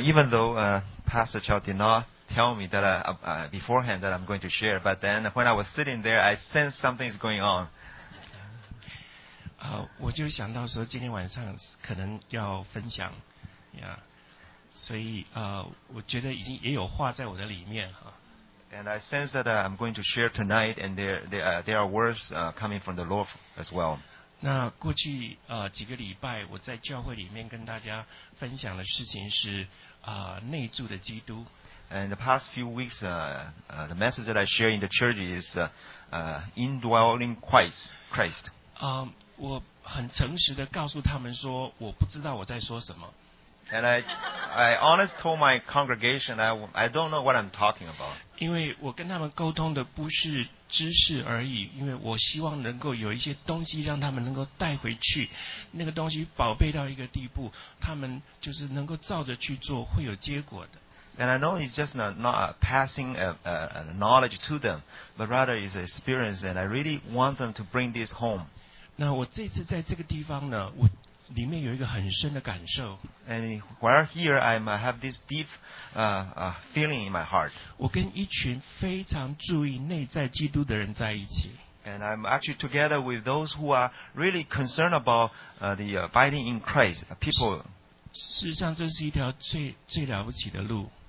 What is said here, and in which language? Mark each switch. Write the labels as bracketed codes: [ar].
[en] Even though Pastor Chow did not tell me that beforehand that I'm going to share, but then when I was sitting there I sensed something is going on. [zh] 我就想到说今天晚上可能要分享呀。 [en] Yeah. [zh] 所以我觉得已经也有话在我的里面哈。 [en] And I sense that I'm going to share tonight, and there are words coming from the Lord as well. [zh] 那过去几个礼拜我在教会里面跟大家分享的事情是内住的基督。 [en] And the past few weeks, the message that I share in the church is indwelling Christ. Christ. [zh] 我很诚实的告诉他们说，我不知道我在说什么。 [en] And I honest told my congregation I don't know what I'm talking about. [zh] 因为我跟他们沟通的不是知识而已，因为我希望能够有一些东西让他们能够带回去，那个东西宝贝到一个地步，他们就是能够照着去做，会有结果的。 [en] And I know it's just not a passing a knowledge to them, but rather it's an experience, and I really want them to bring this home. [zh] 那我这次在这个地方呢，我里面有一个很深的感受。 [en] And while here, I have this deep feeling in my heart. [zh] 我跟一群非常注意内在基督的人在一起。 [en] And I'm actually together with those who are really concerned about the abiding in Christ people. [zh] 事实上，这是一条最了不起的路。